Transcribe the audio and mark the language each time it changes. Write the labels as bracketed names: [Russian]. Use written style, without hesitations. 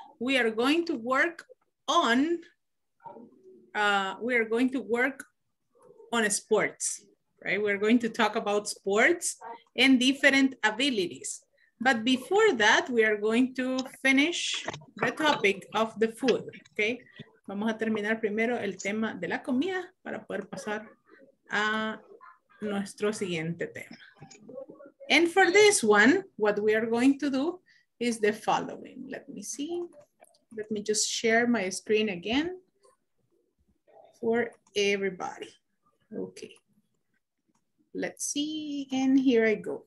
[English] We are going to work on sports, right? We're going to talk about sports and different abilities. But before that, we are going to finish the topic of the food, okay? [Spanish] Vamos a terminar primero el tema de la comida para poder pasar a nuestro siguiente tema. [English] And for this one, what we are going to do is the following. Let me see. Let me just share my screen again for everybody. Okay. Let's see. And here I go.